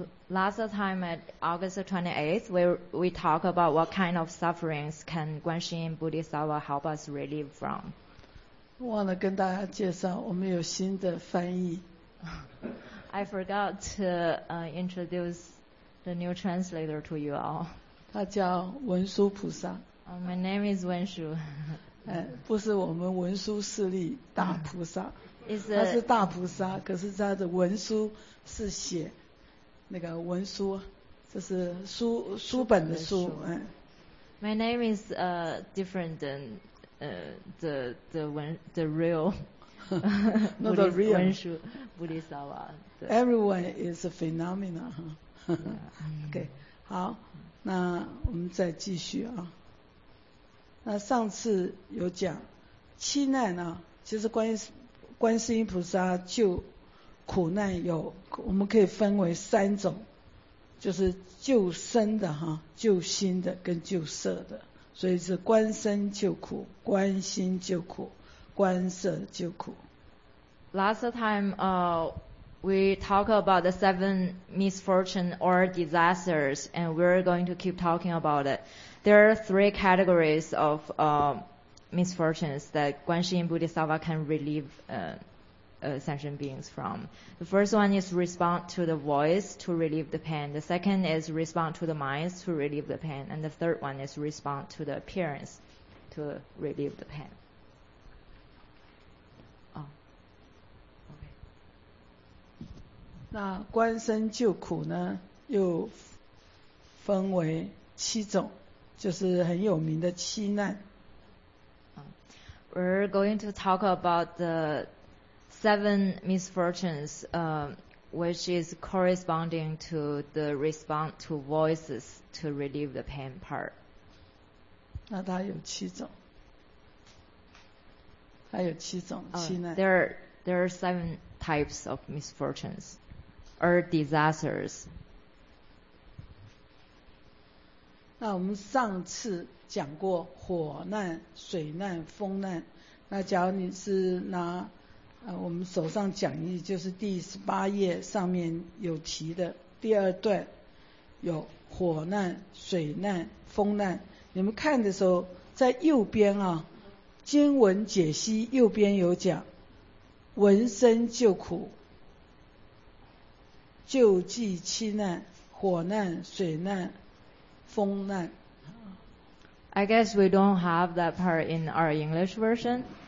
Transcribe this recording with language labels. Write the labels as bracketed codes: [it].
[en] Last time at August 28th, we talk about what kind of sufferings can 观世音菩提萨埵 help us relieve from. [zh] 忘了跟大家介绍，我们有新的翻译。 [en] I forgot to introduce the new translator to you all. [zh] 他叫文殊菩萨。 [en] My name is 文殊。 [zh] 不是我们文殊势力大菩萨，他是大菩萨，可是他的文殊是写。那个文书，这是书本的书。 [en] My name is different than the real not the real [zh] 文书布里萨瓦。 [en] Everyone is a phenomena. [zh] Okay, 好，那我们再继续啊。那上次有讲七难啊，其实观世音菩萨就苦难有，我们可以分为三种，就是救身的哈，救心的跟救色的，所以是观身救苦、观心救苦、观色救苦。 [en] Last time, we talk about the seven misfortune or disasters, and we're going to keep talking about it. There are three categories of misfortunes that 观世音菩提萨埵 can relieve. Sentient beings from. The first one is respond to the voice to relieve the pain. The second is respond to the mind to relieve the pain. And the third one is respond to the appearance to relieve the pain. [zh] Okay. 那观身救苦呢，又分为七种，就是很有名的七难。 [en] We're going to talk about the seven misfortunes, which is corresponding to the response to voices to relieve the pain part. [zh] 那它有七种，它有七种七难。 [en] There are seven types of misfortunes or disasters. [zh] 那我们上次讲过火难、水难、风难。那假如你是拿我们手上讲义就是第十八页上面有提的第二段，有火难、水难、风难。你们看的时候，在右边啊，经文解析右边有讲，闻声救苦、救济七难、火难、水难、风难。 [en] I guess we don't have that part in our English version.